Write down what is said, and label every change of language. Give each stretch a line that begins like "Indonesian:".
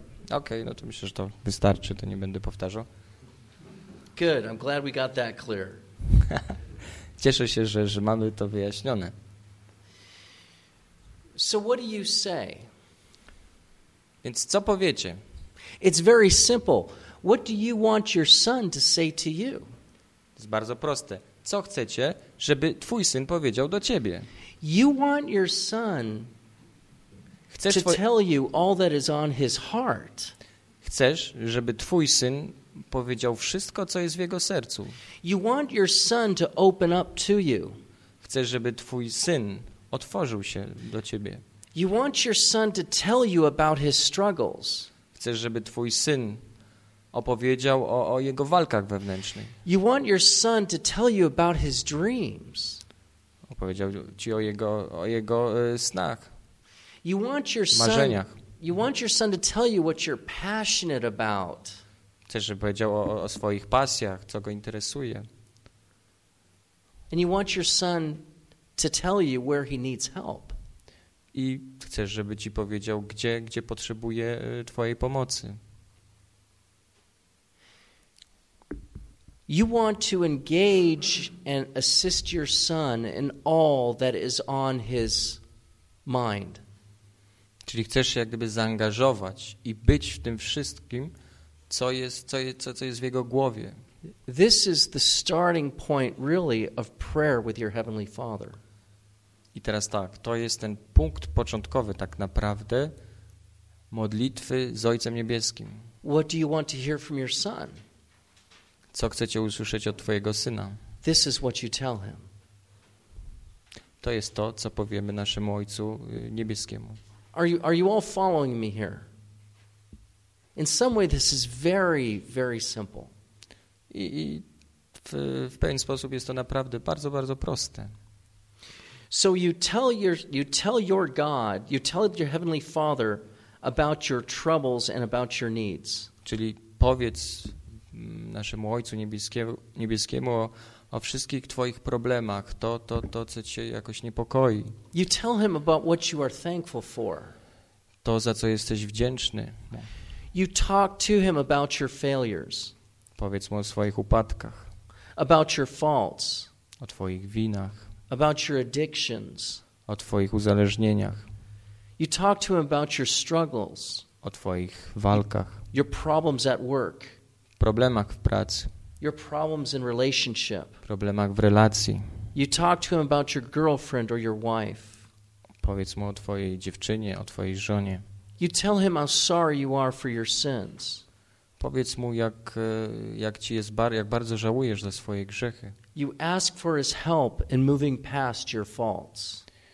Polish: Okay, no to myślę, że to wystarczy, to nie będę powtarzał.
English: Good, I'm glad we got that clear.
Polish: Cieszę się, że mamy to wyjaśnione.
English: So what do you say?
Polish: Więc co powiecie?
English: It's very simple. What do you want your son to say to you?
Polish: To jest bardzo proste. Co chcecie, żeby twój syn powiedział do ciebie?
English: You want your son to tell you all that is on his heart.
Polish: Chcesz, żeby twój syn powiedział wszystko, co jest w jego sercu.
English: You want your son to open up to you.
Polish: Chcesz, żeby twój syn otworzył się do ciebie.
English: You want your son to tell you about his struggles.
Polish: Chcesz, żeby twój syn opowiedział o jego walkach wewnętrznych.
English: You want your son to tell you about his dreams.
Polish: Opowiedział ci o jego snach.
English: You want your
Polish: marzeniach.
English: Son, you want your son to tell you what you're passionate about.
Polish: Chcesz, żeby powiedział o swoich pasjach, co go interesuje.
English: And you want your son to tell you where he needs help.
Polish: I chcesz, żeby ci powiedział, gdzie potrzebuje twojej pomocy.
English: You want to engage and assist your son in all that is on his mind.
Polish: Czyli chcesz się jak gdyby zaangażować i być w tym wszystkim, co jest w jego głowie.
English: This is the starting point really of prayer with your Heavenly Father.
Polish: I teraz tak, to jest ten punkt początkowy tak naprawdę modlitwy z Ojcem Niebieskim.
English: What do you want to hear from your son?
Polish: Co chcecie usłyszeć od twojego syna?
English: This is what you tell him.
Polish: To jest to, co powiemy naszemu Ojcu Niebieskiemu.
English: Are you all following me here? In some way this is very, very simple.
Polish: I w pewien sposób jest to naprawdę bardzo, bardzo proste.
English: So you tell your God, you tell your Heavenly Father about your troubles and about your needs.
Polish: Czyli powiedz naszemu Ojcu Niebieskiemu o wszystkich twoich problemach, to co cię jakoś niepokoi.
English: You tell him about what you are thankful for.
Polish: To, za co jesteś wdzięczny.
English: You talk to him about your failures.
Polish: Powiedz mu o swoich upadkach.
English: About your faults.
Polish: O twoich winach.
English: About your addictions.
Polish: O twoich uzależnieniach.
English: You talk to him about your struggles.
Polish: O twoich walkach.
English: Your problems at work.
Polish: Problemach w pracy.
English: Your problems in relationship.
Polish: Problemach w relacji.
English: You talk to him about your girlfriend or your wife.
Polish: Powiedz mu o twojej dziewczynie, o twojej żonie.
English: You tell him how sorry you are for your sins.
Polish: Powiedz mu jak bardzo żałujesz za swoje grzechy.
English: You ask for his help in moving past your faults.